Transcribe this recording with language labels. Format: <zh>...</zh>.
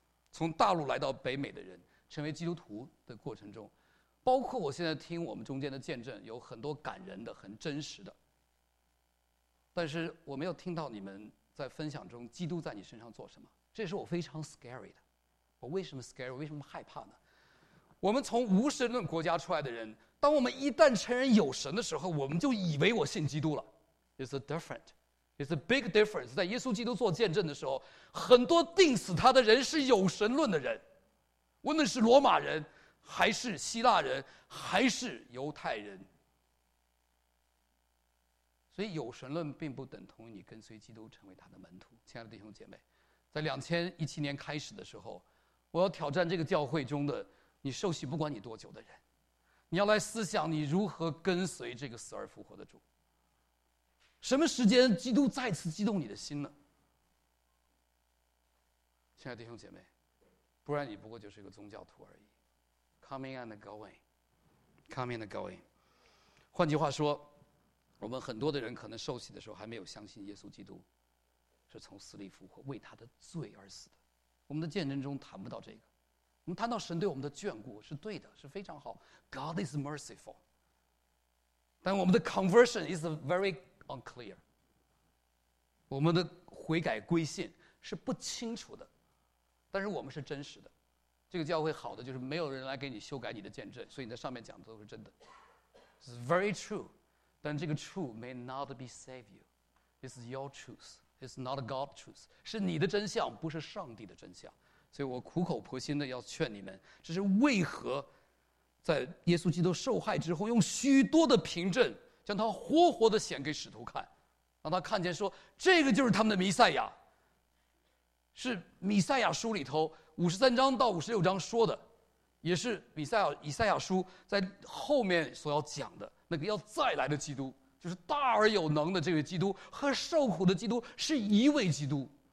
<zh>从大陆来到北美的人成为基督徒的过程中，包括我现在听我们中间的见证，有很多感人的、很真实的，但是我没有听到你们在分享中基督在你身上做什么。这是我非常 scary 的。我为什么 scary？ 为什么害怕呢？我们从无神论国家出来的人，当我们一旦承认有神的时候，我们就以为我信基督了。</zh> <en>It's a different, it's a big difference。</en> <zh>在耶稣基督做见证的时候，很多钉死他的人是有神论的人，无论是罗马人还是希腊人还是犹太人。所以有神论并不等同于你跟随基督成为他的门徒。亲爱的弟兄姐妹，在2017年开始的时候，我要挑战这个教会中的你受洗不管你多久的人，你要来思想你如何跟随这个死而复活的主。什么时间基督再次激动你的心呢？亲爱的弟兄姐妹，不然你不过就是一个宗教徒而已。</zh> <en>Coming and going, coming and going。</en> <zh>换句话说，我们很多的人可能受洗的时候还没有相信耶稣基督是从死里复活，为他的罪而死的。我们的见证中谈不到这个，我们谈到神对我们的眷顾是对的，是非常好。</zh> <en>God is merciful。但我们的 conversion is very unclear。</en> <zh>我们的悔改归信是不清楚的，但是我们是真实的。这个教会好的就是没有人来给你修改你的见证，所以你在上面讲的都是真的。</zh> <en>It's very true,</en> <zh>但这个</zh> <en>true may not be save you. It's your truth. It's not God's truth.</en> <zh>是你的真相，不是上帝的真相。所以我苦口婆心的要劝你们，这是为何在耶稣基督受害之后，用许多的凭证将他活活的显给使徒看，让他看见说这个就是他们的弥赛亚，是弥赛亚书里头53章到56章说的，也是弥赛亚以赛亚书在后面所要讲的那个要再来的基督，就是大而有能的这位基督和受苦的基督是一位基督。</zh>